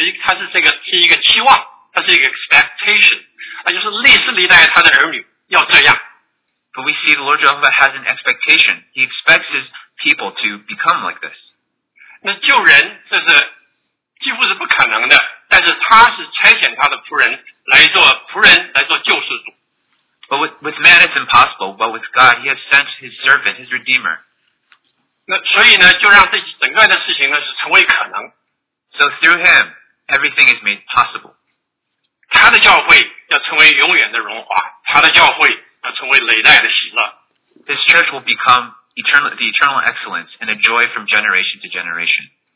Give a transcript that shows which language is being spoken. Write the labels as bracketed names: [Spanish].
[Chinese] 但是你看我们的主耶和华，他是有一，他是这个是一个期望。它是一个 expectation， 它就是历世历代他的儿女要这样。 [English] But we see the Lord Jehovah has an expectation. He expects his people to become like this. [Chinese] 那救人这是几乎是不可能的，但是他是差遣他的仆人来做仆人来做救世主。 [English] But with man it's impossible, but with God he has sent his servant, his redeemer. [Chinese] 那所以呢，就让这整个的事情呢是成为可能。 [English] So through him, everything is made possible. [Chinese] 他的教会要成为永远的荣华，他的教会要成为累代的喜乐。 [English] His church will become eternal, the eternal excellence and a joy from generation to generation.